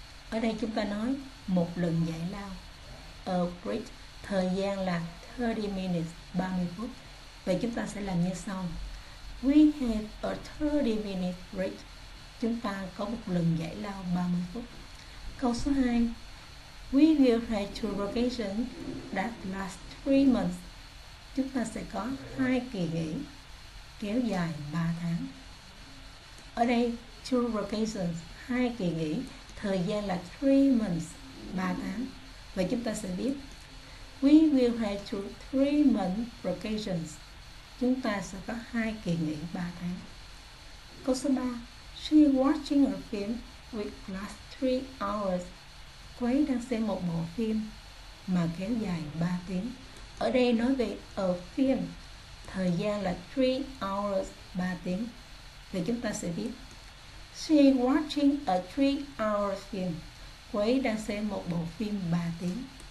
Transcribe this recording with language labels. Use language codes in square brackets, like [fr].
[vi] Ở đây chúng ta nói một lần giải lao, a break, thời gian là 30 minutes, 30 phút. Vậy chúng ta sẽ làm như sau. [en] We have a 30 minute break. [vi] Chúng ta có một lần giải lao 30 phút. Câu số 2, [en] we will have two vacations that last 3 months. [vi] Chúng ta sẽ có 2 kỳ nghỉ kéo dài 3 tháng. Ở đây, two vacations, 2 kỳ nghỉ, thời gian là 3 months, 3 tháng. Vậy chúng ta sẽ viết, [en] we will have two 3 month vacations. [vi] Chúng ta sẽ có 2 kỳ nghỉ 3 tháng. Câu số 3, [en] she watching a film with last 3 hours. [vi] Cô ấy đang xem một bộ phim mà kéo dài 3 tiếng. Ở đây nói về a film, thời gian là 3 hours, 3 tiếng. Thì chúng ta sẽ viết, [en] she watching a 3 hour film. [vi] Cô ấy đang xem một bộ phim 3 tiếng.